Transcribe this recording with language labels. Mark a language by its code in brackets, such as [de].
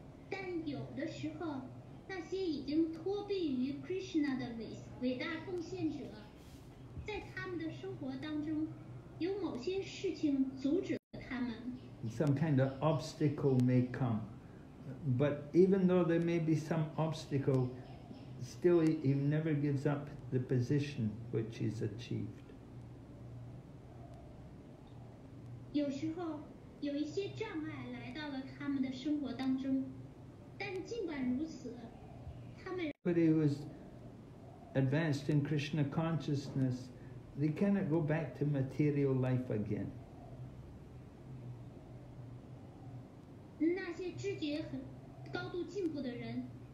[zh] 但有的时候，那些已经脱臂于 Krishna 的伟大奉献者，在他们的生活当中，有某些事情阻止了他们。 [en] Some kind of obstacle may come, but even though there may be some obstacle, still he never gives up the position which he's achieved. [zh] 有时候有一些障碍来到了他们的生活当中，但尽管如此，他们。 [en] Somebody who is advanced in Krishna consciousness, they cannot go back to material life again. [zh] 那些知觉很高度进步的人，